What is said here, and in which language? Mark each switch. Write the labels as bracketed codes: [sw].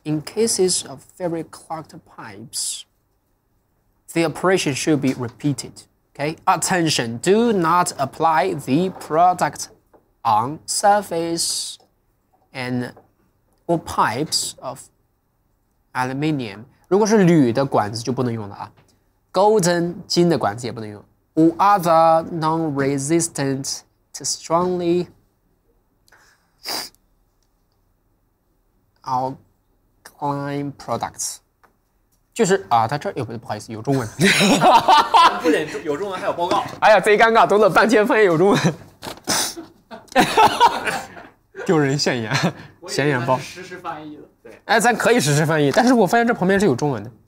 [en] In cases of very clogged pipes, the operation should be repeated. Okay? Attention, do not apply the product on surface and or pipes ofAluminium, [zh] 如果是铝的管子就不能用了啊。 Golden, 金的管子也不能用。 [en] Or other non-resistant to strongly alkaline products. [zh] 就是啊，他这有，不好意思，有中文。不仅有中文还有报告。哎呀，贼尴尬，读了半天发现有中文。丢人现眼，显眼包。实时翻译的。哎，咱可以实时翻译，但是我发现这旁边是有中文的。